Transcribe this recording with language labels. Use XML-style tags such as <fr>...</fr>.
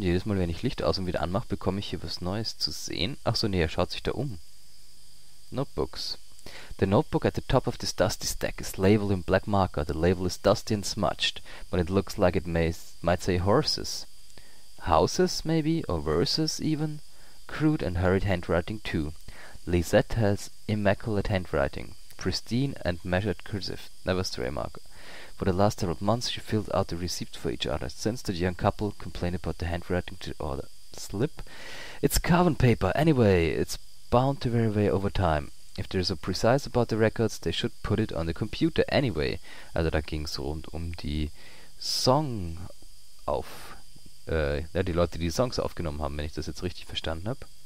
<de>Und jedes Mal, wenn ich Licht aus und wieder anmache, bekomme ich hier was Neues zu sehen. Ach so, nee, er schaut sich da um. Notebooks.</de> <en>The notebook at the top of this dusty stack is labeled in black marker. The label is dusty and smudged, but it looks like it might say horses. Houses, maybe, or verses, even. Crude and hurried handwriting, too. Lisette has immaculate handwriting. Pristine and measured cursive, never stray marker. For the last several months, she filled out the receipts for each other. Since the young couple complained about the handwriting to order slip, it's carbon paper. Anyway, it's bound to wear away over time. If they're so precise about the records, they should put it on the computer anyway.</en> <de>Also da ging es rund um die Song auf, die Leute, die Songs aufgenommen haben, wenn ich das jetzt richtig verstanden habe.</de>